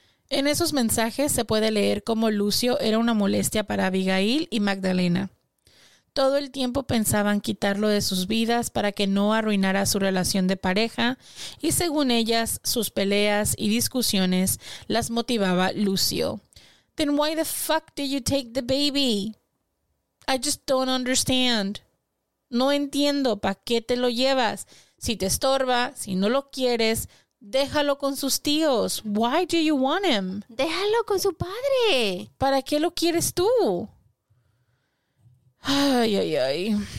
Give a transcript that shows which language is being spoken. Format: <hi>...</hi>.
<es>En esos mensajes se puede leer cómo Lucio era una molestia para Abigail y Magdalena. Todo el tiempo pensaban quitarlo de sus vidas para que no arruinara su relación de pareja y según ellas, sus peleas y discusiones las motivaba Lucio.</es> <en>Then why the fuck did you take the baby? I just don't understand.</en> <es>No entiendo, ¿pa' qué te lo llevas? Si te estorba, si no lo quieres, déjalo con sus tíos.</es> <en>Why do you want him?</en> <es>Déjalo con su padre. ¿Para qué lo quieres tú? Ay, ay, ay.</es>